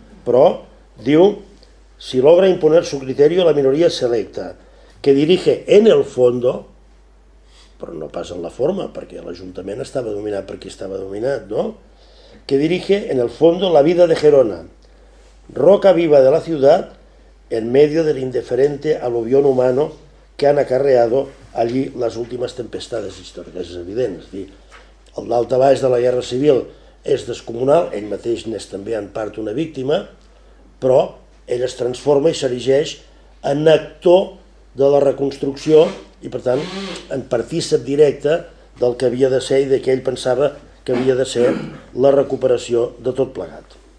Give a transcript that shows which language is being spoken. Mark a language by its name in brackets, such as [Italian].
[Catalan] Però diu, [Spanish] si logra imponer su criterio la minoría selecta, que dirige en el fondo, [Catalan] però no pas en la forma, perquè l'Ajuntament estava dominat per qui estava dominat, no? [Spanish] Que dirige en el fondo la vida de Gerona, roca viva de la ciudad, en medio del indiferente aluvión humano que han acarreado allí las últimas tempestades históricas. [Catalan] És evident, és a dir, el daltabaix de la Guerra Civil és descomunal, ell mateix n'és també en part una víctima, però ell es transforma i s'erigeix en actor de la reconstrucció i, per tant, en partícip directe del que havia de ser i de què ell pensava que havia de ser la recuperació de tot plegat.